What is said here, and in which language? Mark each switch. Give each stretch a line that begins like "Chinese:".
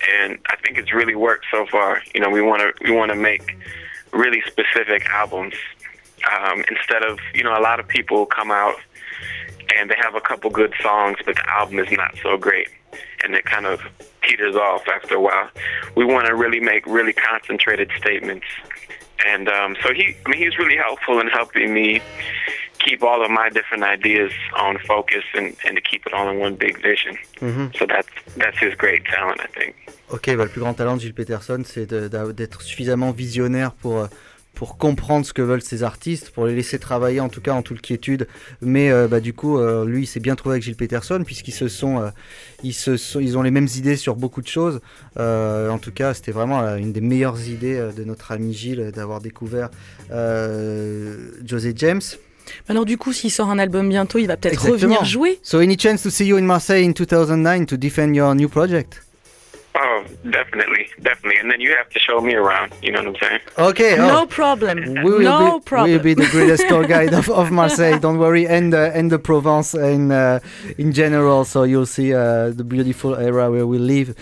English: And I think it's really worked so far. You know, we want to make really specific albums, instead of, you know, a lot of people come out and they have a couple good songs but the album is not so great and it kind of peters off after a while. We want to really make really concentrated statements, and he's really helpful in helping me keep all of my different ideas on focus and to keep it all in one big vision. Mm-hmm. So that's his great talent, I think.
French: Ok, bah le plus grand talent de Gilles Peterson, c'est d'être suffisamment visionnaire pour comprendre ce que veulent ces artistes, pour les laisser travailler en tout cas en toute quiétude. Mais lui, il s'est bien trouvé avec Gilles Peterson, puisqu'ils ils ont les mêmes idées sur beaucoup de choses. En tout cas, c'était vraiment une des meilleures idées de notre ami Gilles d'avoir découvert José James. Alors du coup, s'il sort un album bientôt, il va peut-être revenir jouer.
English: So any chance to see you in Marseille in 2009 to defend your new project? Oh, definitely. And then you have to show me around, you know what I'm saying? Okay. Oh. No problem. We will be the greatest tour guide of Marseille, don't worry, and the Provence in general, so you'll see the beautiful area where we live.